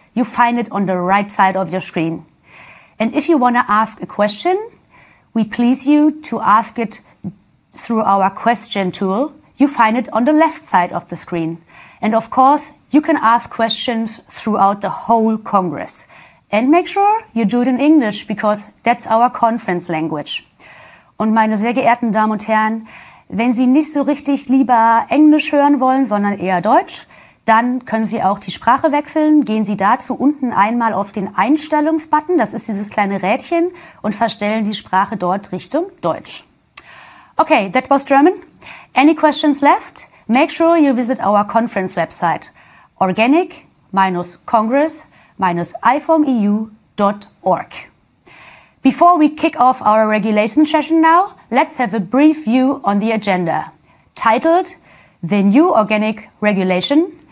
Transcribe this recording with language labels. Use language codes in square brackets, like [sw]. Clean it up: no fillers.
[en] You find it on the right side of your screen. And if you want to ask a question, we please you to ask it through our question tool. You find it on the left side of the screen. And of course, you can ask questions throughout the whole Congress. And make sure you do it in English, because that's our conference language. [de] Und meine sehr geehrten Damen und Herren, wenn Sie nicht so richtig lieber Englisch hören wollen, sondern eher Deutsch, dann können Sie auch die Sprache wechseln. Gehen Sie dazu unten einmal auf den Einstellungsbutton, das ist dieses kleine Rädchen, und verstellen die Sprache dort Richtung Deutsch. [en] Okay, that was German. Any questions left? Make sure you visit our conference website, organic-congress-ifomeu.org. Before we kick off our regulation session now, let's have a brief view on the agenda, titled The New Organic Regulation.